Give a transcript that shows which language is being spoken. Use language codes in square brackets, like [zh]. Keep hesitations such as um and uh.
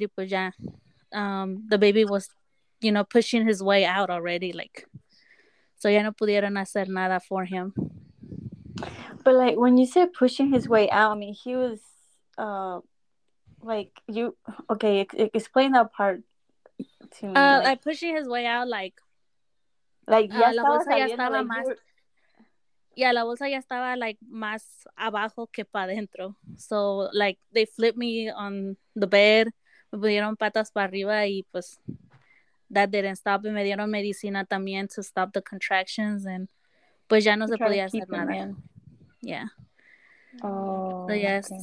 [es] Y pues ya, [en] um, the baby was, you know, pushing his way out already. [es] Like, so ya no pudieron hacer nada [en] for him. But like when you said pushing his way out, I mean, he was, uh, like you, okay, explain that part to me. Uh, like, pushing his way out, like like yeah, [es] uh, la bolsa ya estaba like, más. [en] Were... [es] Yeah, la bolsa ya estaba like más abajo que pa dentro. [en] So like they flipped me on the bed, They me on [es] patas para arriba [en] and, pues that didn't stop. [es] Me dieron medicina también [en] to stop the contractions and [es] pues ya no you se podía hacer nada. [en] In. Right. Yeah. Oh. yes, yeah, okay.